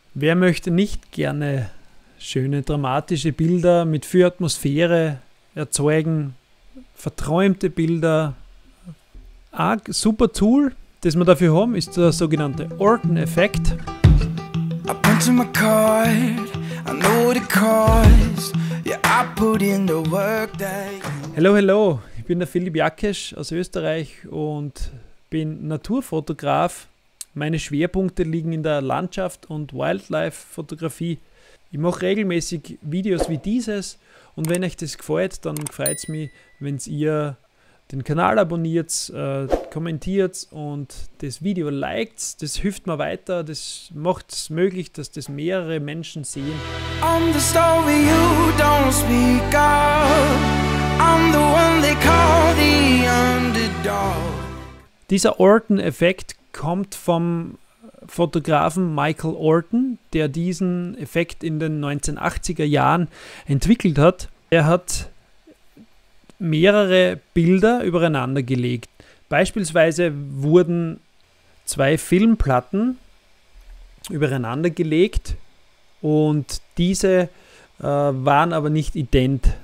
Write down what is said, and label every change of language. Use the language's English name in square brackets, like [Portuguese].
[German] Wer möchte nicht gerne schöne dramatische Bilder mit viel Atmosphäre erzeugen, verträumte Bilder? Ein super Tool, das wir dafür haben, ist der sogenannte Orton-Effekt. [English] I put in my card, I know the cause, yeah, I put in the work day. Hello, hello, [German] ich bin der Philipp Jakesch aus Österreich und bin Naturfotograf. Meine Schwerpunkte liegen in der Landschaft- und Wildlife-Fotografie. Ich mache regelmäßig Videos wie dieses und wenn euch das gefällt, dann freut es mich, wenn ihr den Kanal abonniert, kommentiert und das Video liked. Das hilft mir weiter, das macht es möglich, dass das mehrere Menschen sehen. [English] I'm the story you don't speak of. I'm the one they call the underdog. [German] Dieser Orton-Effekt kommt vom Fotografen Michael Orton, der diesen Effekt in den 1980er Jahren entwickelt hat. Er hat mehrere Bilder übereinander gelegt. Beispielsweise wurden zwei Filmplatten übereinander gelegt und diese waren aber nicht ident.